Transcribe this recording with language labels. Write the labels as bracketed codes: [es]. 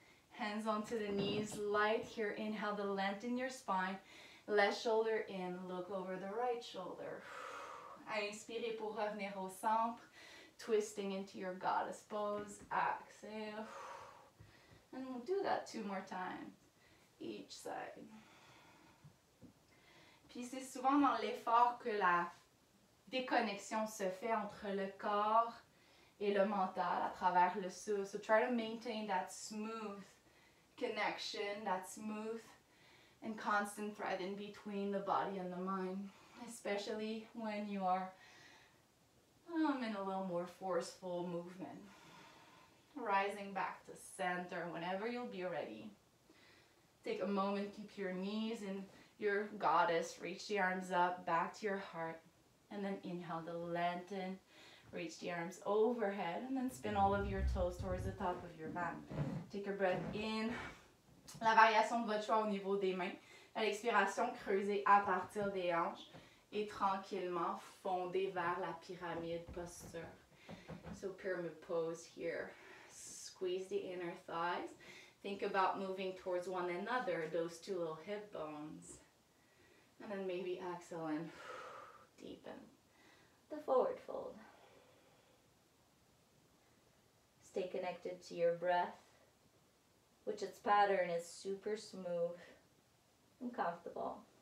[en] Hands onto the knees, light here. Inhale to lengthen your spine. Left shoulder in, look over the right shoulder. [fr] Inspirez pour revenir au centre, [en] twisting into your goddess pose. Exhale. And we'll do that two more times, each side. [fr] Puis c'est souvent dans l'effort que la déconnexion se fait entre le corps et le mental à travers le souffle. [en] So try to maintain that smooth connection, that smooth and constant thread in between the body and the mind, especially when you are in a little more forceful movement. Rising back to center whenever you'll be ready. Take a moment, keep your knees in your goddess, reach the arms up back to your heart, and then inhale to lengthen, reach the arms overhead, and then spin all of your toes towards the top of your mat. Take a breath in. [fr] La variation de votre choix au niveau des mains. À l'expiration, creusez à partir des hanches et tranquillement fondez vers la pyramide posture. [en] So pyramid pose here. Squeeze the inner thighs. Think about moving towards one another, those two little hip bones. And then maybe exhale and deepen the forward fold. Stay connected to your breath, which its pattern is super smooth and comfortable.